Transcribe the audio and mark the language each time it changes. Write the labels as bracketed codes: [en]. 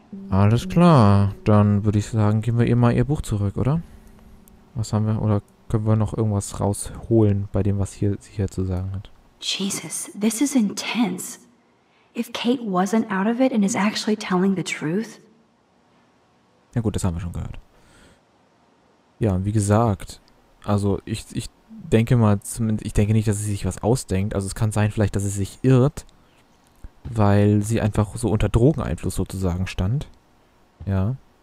[de] Ah. Alles klar, dann würde ich sagen, geben wir ihr mal ihr Buch zurück, oder? Was haben wir, oder können wir noch irgendwas rausholen bei dem, was hier, sie hier zu sagen hat? [en] Jesus, this is intense. If Kate wasn't out of it and is actually telling the truth. [de] Ja gut, das haben wir schon gehört. Ja, wie gesagt, also ich denke mal, zumindest, ich denke nicht, dass sie sich was ausdenkt. Also es kann sein vielleicht, dass sie sich irrt, weil sie einfach so unter Drogeneinfluss sozusagen stand. Ja.